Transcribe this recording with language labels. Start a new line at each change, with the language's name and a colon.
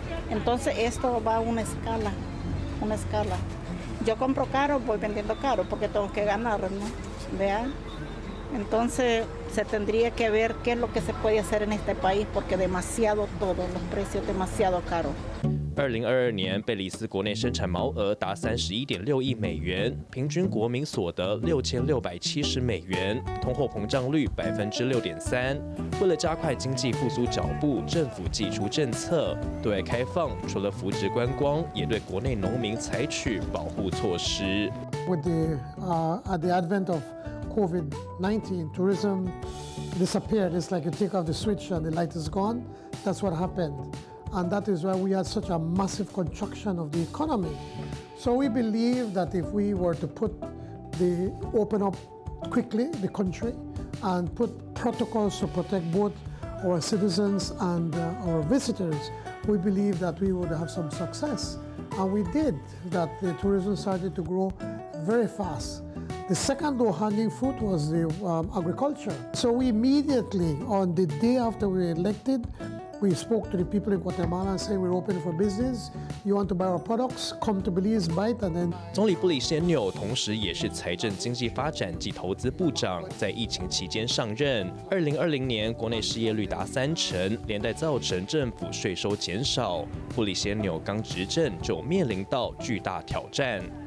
Spanish: Entonces esto va a una escala, una escala. Yo compro caro, voy vendiendo caro porque tengo que ganar, ¿no? ¿Vea? Entonces se tendría que ver qué es lo que se puede hacer en este país porque demasiado todo, los precios demasiado caros.
Chinese: 2022年，贝里斯国内生产毛额达31.6亿美元，平均国民所得6670美元，通货膨胀率6.3%。为了加快经济复苏脚步，政府祭出政策，对外开放，除了扶植观光，也对国内农民采取保护措施。
English: With the at the advent of COVID-19, tourism disappeared. It's like you take off the switch and the light is gone. That's what happened. And that is why we had such a massive contraction of the economy. So we believe that if we were to open up quickly the country and put protocols to protect both our citizens and our visitors, we believe that we would have some success. And we did, that the tourism started to grow very fast. The second low hanging fruit was the agriculture. So we immediately, on the day after we were elected, we spoke to the people in Guatemala and said, we're open for business. You want to buy our products? Come to Belize, buy it, and then.
Chinese: 总理布里先纽同时也是财政经济发展及投资部长，在疫情期间上任。 2020年，国内失业率达30%，连带造成政府税收减少。布里先纽刚执政就面临到巨大挑战。